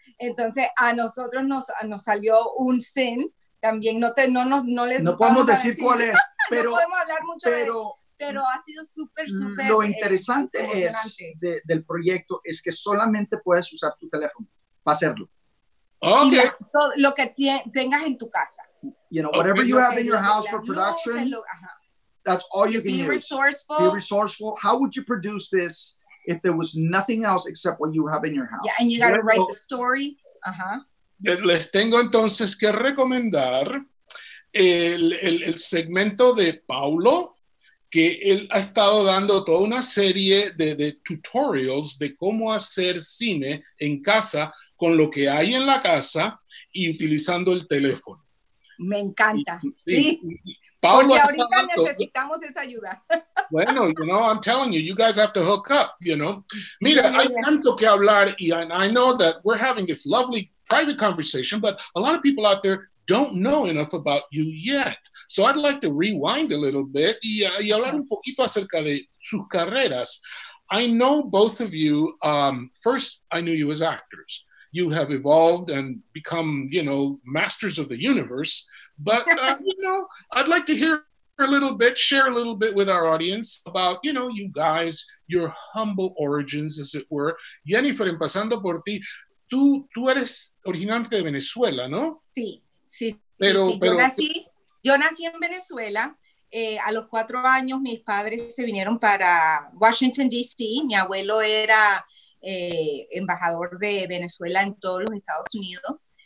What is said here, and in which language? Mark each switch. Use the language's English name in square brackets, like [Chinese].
[Spanish] Entonces a nosotros nos salió un sin también. No podemos decir cuál es, pero no podemos hablar mucho, pero de eso. Pero ha sido súper, súper. Lo interesante es del proyecto es que solamente puedes usar tu teléfono para hacerlo. Okay. Lo que tengas en tu casa. [English] You know, whatever you have in your house for production, that's all you can use. Be resourceful. Be resourceful. How would you produce this if there was nothing else except what you have in your house? Yeah, and you got to write the story. [Spanish] Les tengo entonces que recomendar el segmento de Paulo. que él ha estado dando toda una serie de tutorials de cómo hacer cine en casa con lo que hay en la casa y utilizando el teléfono. Me encanta. Sí. Pablo, porque ahorita necesitamos esa ayuda. [English] Bueno, you know, I'm telling you, you guys have to hook up, you know. [Spanish] Mira, hay tanto que hablar, y [English] I know that we're having this lovely private conversation, but a lot of people out there don't know enough about you yet. So I'd like to rewind a little bit [Spanish] y hablar un poquito acerca de sus carreras. [English] I know both of you, first I knew you as actors. You have evolved and become, you know, masters of the universe. But, you know, I'd like to hear a little bit, share a little bit with our audience about, you know, you guys, your humble origins, as it were. [Spanish] Yeniffer, empezando por ti, tú eres originante de Venezuela, ¿no? Sí, sí, pero, sí. Yo nací en Venezuela. A los 4 años, mis padres se vinieron para Washington, D.C. Mi abuelo era embajador de Venezuela en todos los Estados Unidos.